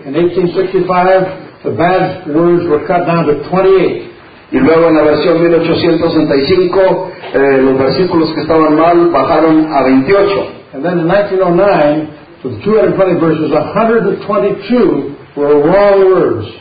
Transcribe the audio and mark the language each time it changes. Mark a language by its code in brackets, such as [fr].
[en] In 1865, the bad words were cut down to 28. [es] Y luego en la versión 1865, los versículos que estaban mal bajaron a 28. [en] And then in 1909, from 220 verses, 122 were wrong words.